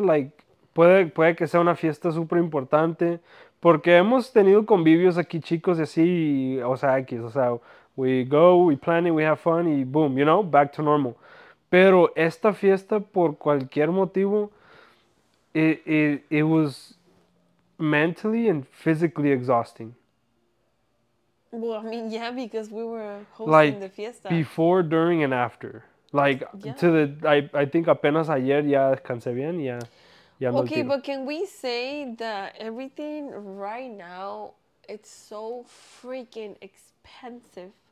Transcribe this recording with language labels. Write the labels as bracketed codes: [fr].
[es] Like, puede que sea una fiesta súper importante. Porque hemos tenido convivios aquí, chicos, y así. Y, o sea, aquí. O sea, [en] we go, we plan it, we have fun, y boom, you know, back to normal. [es] Pero esta fiesta, por cualquier motivo, [en] it was... mentally and physically exhausting. Well, I mean, yeah, because we were hosting like, the fiesta before, during, and after. Like yeah. I think [es] apenas ayer ya descansé bien, ya. [en] Okay, but can we say that everything right now it's so freaking expensive?